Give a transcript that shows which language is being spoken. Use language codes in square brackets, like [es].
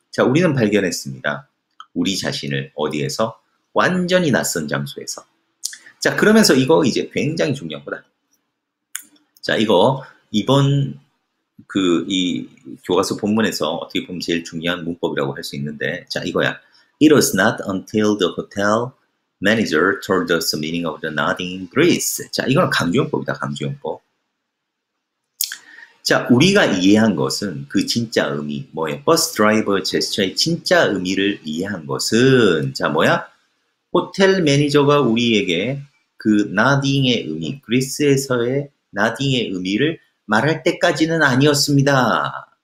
[ko] 자, 우리는 발견했습니다. 우리 자신을 어디에서? 완전히 낯선 장소에서. 자, 그러면서 이거 이제 굉장히 중요한 거다. 자, 이거 이번 그, 이, 교과서 본문에서 어떻게 보면 제일 중요한 문법이라고 할수 있는데, 자, 이거야. [en] It was not until the hotel manager told us the meaning of the nodding breeze. [ko] 자, 이거는 강조용법이다, 강조용법. 자, 우리가 이해한 것은 그 진짜 의미, 뭐야? 버스 드라이버 제스처의 진짜 의미를 이해한 것은, 자, 뭐야? 호텔 매니저가 우리에게 그 nodding의 의미, 그리스에서의 nodding의 의미를 말할 때까지는 아니었습니다.